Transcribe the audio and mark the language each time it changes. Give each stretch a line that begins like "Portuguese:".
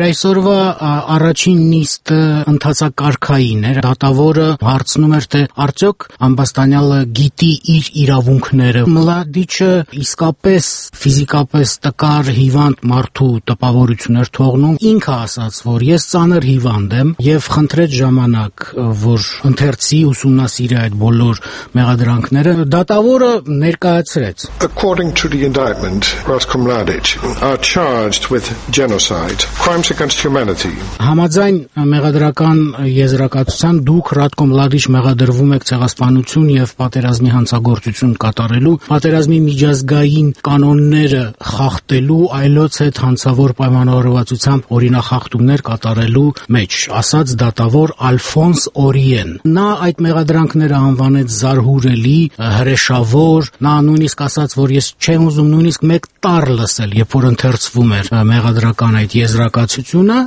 Armenian: Այսօրվա առաջին նիստը ընթացակարգային էր, դատավորը հարցնում էր, թե արդյոք Ամբաստանյալը գիտի իր իրավունքները։ Մլադիչը իսկապես ֆիզիկապես տկար հիվանդ մարդու տպավորություններ թողնում, ինքը ասաց, որ ես ծանր հիվանդ եմ և խնդրեց ժամանակ, որ ընթերցի ուսումնասիրի այդ բոլոր մեղադրանքները, դատավորը ներկայացրեց.
English: According to the indictment, Ratko Mladic are charged with genocide, crimes against humanity.
Armenian: Համաձայն մեղադրական եզրակացության, դուք Ratko Mladic մեղադրվում եք ցեղասպանություն և պատերազմի հանցագործություն կատարելու, պատերազմի միջազգային կանոնները խախտելու, այլոց հետ հանցավոր պայմանավորվածությամբ օրինախախտումներ կատարելու մեջ, ասաց դատավոր Ալֆոնս Օրիեն։ Նա այդ մեղադրանքները անվանեց զարհուրելի, հրեշավոր, նա նույնիսկ ասաց, որ ես չեմ ուզում նույնիսկ մեկ տառ լսել, երբ որ ընթերցվում էր մեղադրական այդ եզրակացությունը։